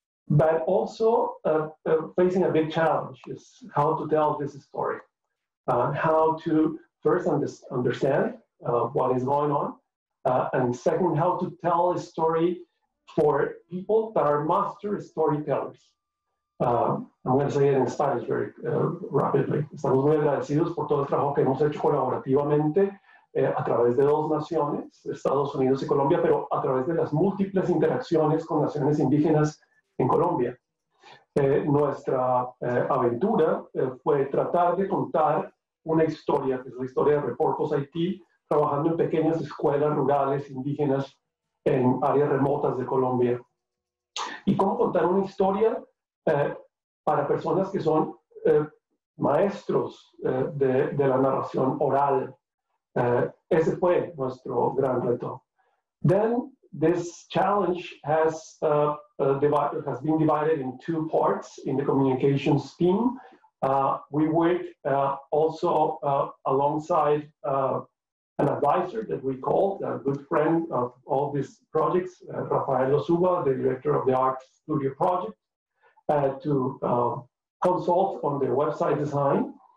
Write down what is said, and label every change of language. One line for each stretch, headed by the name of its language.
English: But also facing a big challenge is how to tell this story, how to first understand what is going on, and second, how to tell a story for people that are master storytellers. I'm going to say it in Spanish very rapidly.
Spanish: Estamos muy agradecidos por todo el trabajo que hemos hecho colaborativamente a través de dos naciones, Estados Unidos y Colombia, pero a través de las múltiples interacciones con naciones indígenas en Colombia. Nuestra aventura fue tratar de contar una historia, que es la historia de Repurpose-It, trabajando en pequeñas escuelas rurales indígenas en áreas remotas de Colombia. ¿Y cómo contar una historia? Para personas que son maestros de la narración oral. Ese fue nuestro gran reto.
English: Then, this challenge has been divided in two parts in the communications team. We work also alongside an advisor that we called, a good friend of all these projects, Rafael Osuba, the director of the Art Studio Project, to consult on the website design.